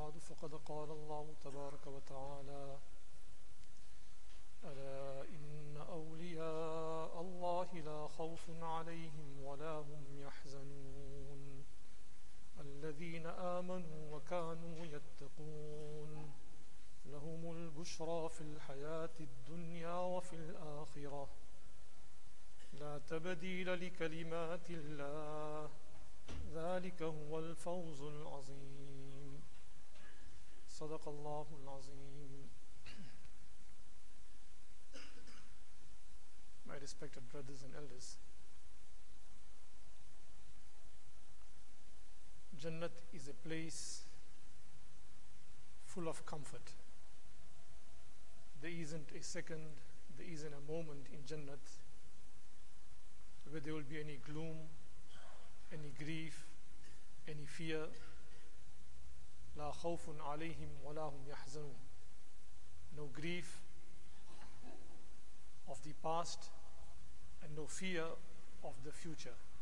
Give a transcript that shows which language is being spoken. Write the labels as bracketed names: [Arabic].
[Arabic] فقد قال الله تبارك وتعالى: ألا إن أولياء الله لا خوف عليهم ولا هم يحزنون الذين آمنوا وكانوا يتقون لهم البشرى في الحياة الدنيا وفي الآخرة لا تبديل لكلمات الله ذلك هو الفوز العظيم صدق الله العظيم. [English] My respected brothers and elders, Jannat is a place full of comfort. There isn't a second, there isn't a moment in Jannat where there will be any gloom, any grief, any fear. [Arabic] لا خوف عليهم ولا هم يحزنون. [English] No grief of the past and no fear of the future.